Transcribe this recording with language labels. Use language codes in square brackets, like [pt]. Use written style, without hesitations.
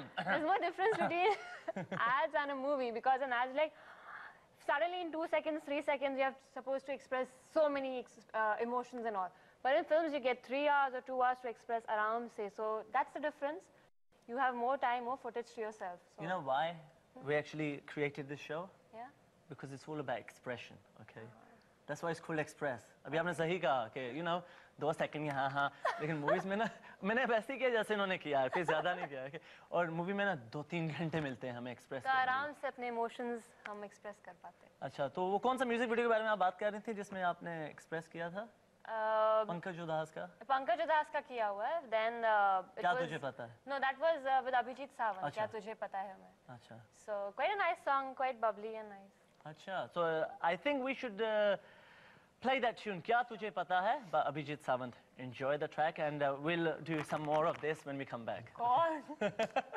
[en] There's more difference between ads and a movie because an ad's like, suddenly in 2 seconds, 3 seconds, you're supposed to express so many emotions and all. But in films, you get 3 hours or 2 hours to express around, say, so that's the difference. You have more time, more footage to yourself. So. You know why we actually created this show? Yeah. Because it's all about expression, okay? That's why it's cool express. [hi] अभी आपने सही कहा कि you know दो second यहाँ हाँ लेकिन movies में ना मैंने ऐसे ही किया जैसे इन्होंने किया कि ज़्यादा नहीं किया कि और मूवी में ना दो तीन घंटे मिलते हैं हमें एक्सप्रेस तो आराम से अपने इमोशंस हम एक्सप्रेस कर पाते हैं अच्छा तो वो कौन सा म्यूजिक वीडियो के बारे में आप बात कर रही थी जिसमें आपने एक्सप्रेस किया था पंकज उदास का किया हुआ है देन क्या तुझे पता है [en] no that was with Abhijit Sawant क्या तुझे पता है मैं अच्छा so quite a nice song quite bubbly and nice अच्छा so I think we should play that tune kya tujhe pata hai by abhijit savant enjoy the track and we'll do some more of this when we come back god